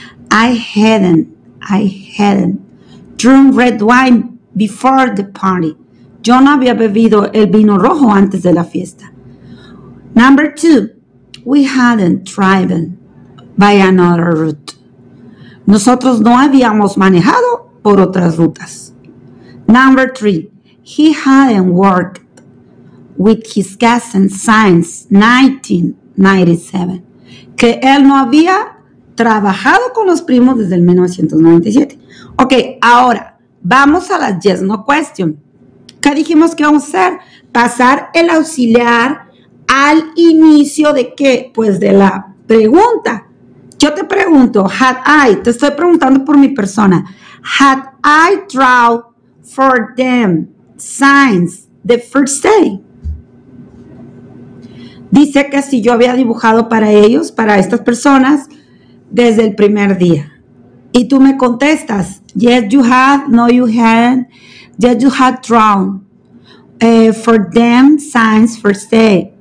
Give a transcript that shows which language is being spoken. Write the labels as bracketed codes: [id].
[en] I hadn't drunk red wine before the party. [es] Yo no había bebido el vino rojo antes de la fiesta. [en] Number two, we hadn't driven by another route. [es] Nosotros no habíamos manejado por otras rutas. [en] Number three, he hadn't worked with his cousins since 1997. [es] Que él no había trabajado con los primos desde el 1997. Ok, ahora vamos a la [en] yes no question. [es] ¿Qué dijimos que vamos a hacer? Pasar el auxiliar al inicio de qué, pues de la pregunta. Yo te pregunto, te estoy preguntando por mi persona. [en] Had I drawn for them signs the first day? [es] Dice que si yo había dibujado para ellos, para estas personas, desde el primer día. Y tú me contestas, [en] yes you had, no you hadn't. Yes you had drawn for them signs first day.